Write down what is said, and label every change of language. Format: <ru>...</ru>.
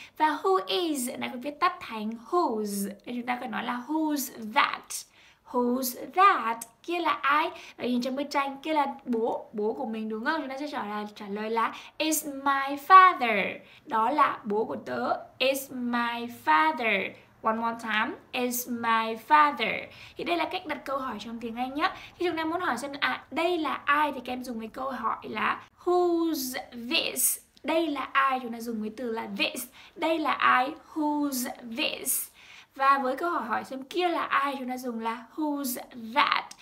<vi>Và</vi> <en>who is</en> <vi>này có viết tắt thành who's, nên chúng ta phải nói là</vi> <en>who's that. Who's that,</en> <vi>kia là ai. Và nhìn trong bức tranh, kia là bố của mình đúng không, chúng ta sẽ trả lời là</vi> <en>is my father,</en> <vi>đó là bố của tớ.</vi> <en>Is my father. One more time, is my father.</en> <vi>Thì đây là cách đặt câu hỏi trong tiếng Anh nhé. Khi chúng ta muốn hỏi xem đây là ai thì các em dùng với câu hỏi là</vi> <en>who's this.</en> <vi>Đây là ai, chúng ta dùng với từ là this. Đây là ai,</vi> <en>who's this.</en> <vi>Và với câu hỏi xem kia là ai, chúng ta dùng là</vi> <en>who's that.</en>